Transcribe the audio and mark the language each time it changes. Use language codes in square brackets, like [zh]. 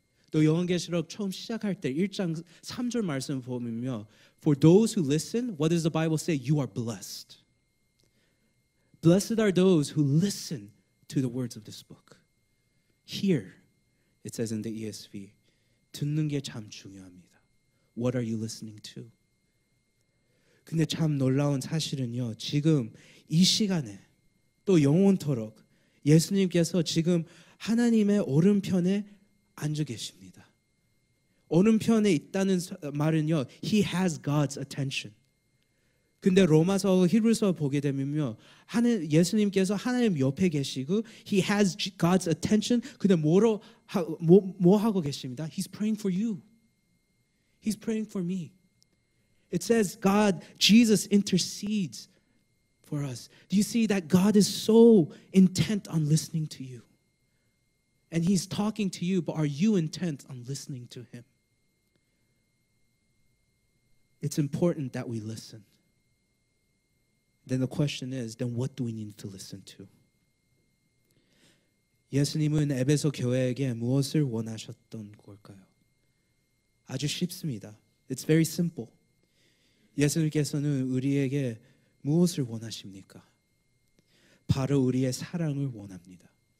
[ko] 또 요한계시록 처음 시작할 때 1장 3절 말씀 보면요. [en] For those who listen, what does the Bible say? You are blessed. Blessed are those who listen to the words of this book. Hear, it says in the ESV, [ko] 듣는 게 참 중요합니다. [en] What are you listening to? [ko] 근데 참 놀라운 사실은요, 지금 이 시간에 또 영원토록 예수님께서 지금 하나님의 오른편에 앉아 계십니다. 오른편에 있다는 말은요, [en] He has God's attention. [ko] 근데 로마서, 히브리서 보게 되면요, 예수님께서 하나님 옆에 계시고 [en] He has God's attention. [ko] 근데 뭐 하고 계십니다? [en] He's praying for you. He's praying for me. It says God, Jesus intercedes for us. Do you see that God is so intent on listening to you? And He's talking to you, but are you intent on listening to Him? It's important that we listen. Then the question is, then what do we need to listen to? [ko] 예수님은 에베소 교회에게 무엇을 원하셨던 걸까요? 아주 쉽습니다. [en] It's very simple. [ko] 예수님께서는 우리에게 무엇을 원하십니까? 바로 우리의 사랑을 원합니다.